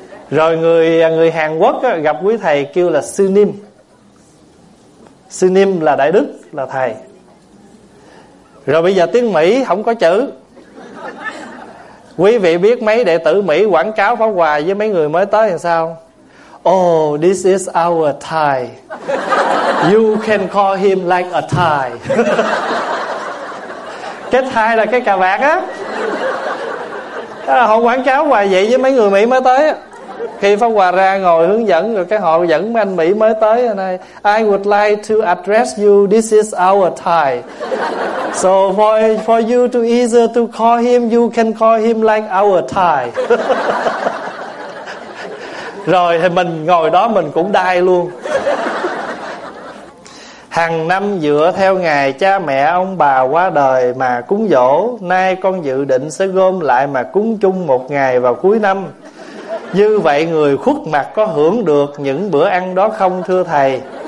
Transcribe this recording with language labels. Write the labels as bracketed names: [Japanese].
[Vietnamese] Rồi người Hàn Quốc gặp quý thầy kêu là Sư Nim. Sư Nim là đại đức, là thầy. Rồi bây giờ tiếng Mỹ không có chữ. Quý vị biết mấy đệ tử Mỹ quảng cáo Pháp Hòa với mấy người mới tới làm sao? [English] Oh, this is our Thai. You can call him like a Thai. [Vietnamese] Cái Thai là cái cà vạt á. Họ quảng cáo hoài vậy với mấy người Mỹ mới tới á. Khi Pháp Hòa ra ngồi hướng dẫn, rồi cái họ dẫn mấy anh Mỹ mới tới này, [English] I would like to address you, this is our Thai. So for you to either to call him, you can call him like our Thai. [Vietnamese] Rồi thì mình ngồi đó mình cũng đai luôn. Hằng năm dựa theo ngày cha mẹ ông bà qua đời mà cúng dỗ, nay con dự định sẽ gom lại mà cúng chung một ngày vào cuối năm. Như vậy người khuất mặt có hưởng được những bữa ăn đó không thưa thầy?